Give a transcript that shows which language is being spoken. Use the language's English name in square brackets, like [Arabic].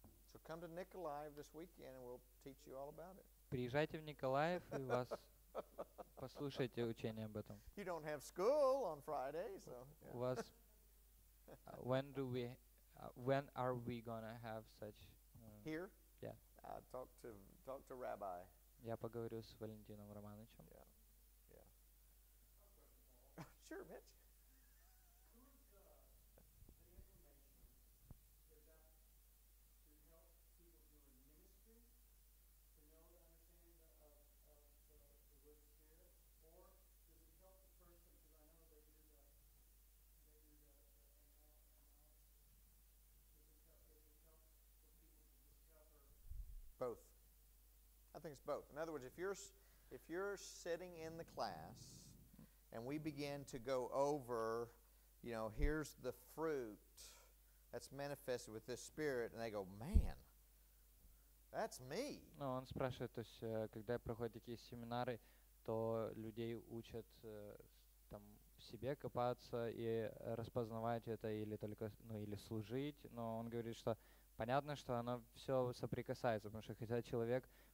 [English] So come to Nikolaev this weekend and we'll teach you all about it. [Russian] Приезжайте в Николаев и вас послушайте учение об этом. [English] You don't have school on Friday, so. [Russian] У вас [English] when are we going to have such here? Yeah. I'll talk to Rabbi. [Russian] Я поговорю с Валентином Романовичем. [English] Yeah. Yeah. Sure, Mitch. Both. I think it's both. In other words, if you're sitting in the class and we begin to go over, you know, here's the fruit that's manifested with this spirit, and they go, man, that's me. [Russian] Ну, он спрашивает, то есть, когда проходят такие семинары, то людей учат там в себе копаться и распознавать это или только, ну, или служить, но он говорит, что понятно, что оно все соприкасается, потому что хотя человек